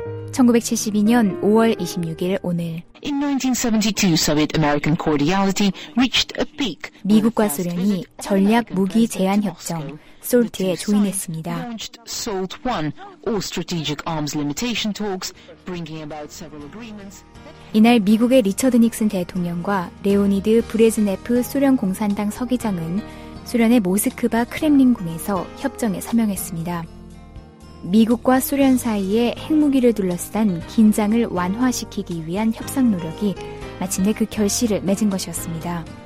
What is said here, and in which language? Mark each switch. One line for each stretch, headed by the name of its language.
Korean: 1972년 5월 26일 오늘
English: In 1972, Soviet American cordiality reached a peak.
Korean: 미국과 소련이 전략 무기 제한 협정 SALT에 조인했습니다.
English: SALT 1 or strategic arms limitation talks bringing about several agreements.
Korean: 이날 미국의 리처드 닉슨 대통령과 레오니드 브레즈네프 소련 공산당 서기장은 소련의 모스크바 크렘린궁에서 협정에 서명했습니다. 미국과 소련 사이에 핵무기를 둘러싼 긴장을 완화시키기 위한 협상 노력이 마침내 그 결실을 맺은 것이었습니다.